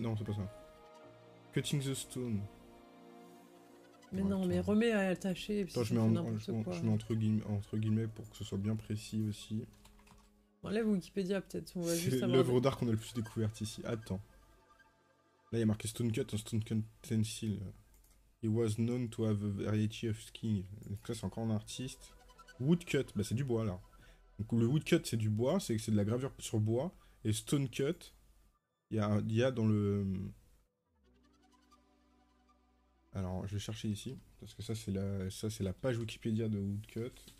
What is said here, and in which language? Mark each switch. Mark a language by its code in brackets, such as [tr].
[fr] Non, c'est pas ça. Cutting the Stone. Mais non, mais remets à attacher. Attends, je mets entre guillemets pour que ce soit bien précis aussi. Enlève Wikipédia, peut-être. On va c'est juste l'œuvre d'art qu'on a le plus découverte ici. Attends. Là, il y a marqué Stone Cut, Stone Cut Tensile. [en] He was known to have a variety of skin. [fr] Ça, c'est encore un artiste. Woodcut, bah c'est du bois là. Donc le woodcut, c'est du bois, c'est de la gravure sur bois. Et stonecut, il y a dans le. Alors, je vais chercher ici. Parce que ça c'est la page Wikipédia de woodcut.